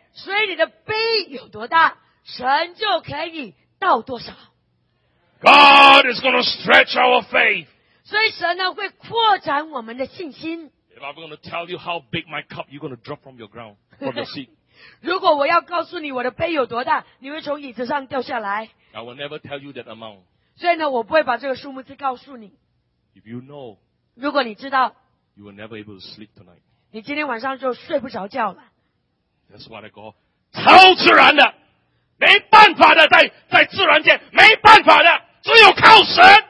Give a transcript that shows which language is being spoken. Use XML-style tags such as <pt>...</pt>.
<zh>所以你的杯有多大，神就可以倒多少。</zh> <en>God is going to stretch our faith.</en> <zh>所以神呢会扩展我们的信心。</zh> <en>If I'm going to tell you how big my cup, you're going to drop from your ground, from your seat.</en> <zh>如果我要告诉你我的杯有多大，你会从椅子上掉下来。</zh> <en>I will never tell you that amount.</en> <zh>所以呢，我不会把这个数目字告诉你。</zh> <en>If you know,</en> <zh>如果你知道，</zh> <en>you will never able to sleep tonight.</en> <zh>你今天晚上就睡不着觉了。</zh> <en>That's what I call</en> <zh>超自然的，没办法的，在自然界没办法的，只有靠神，</zh>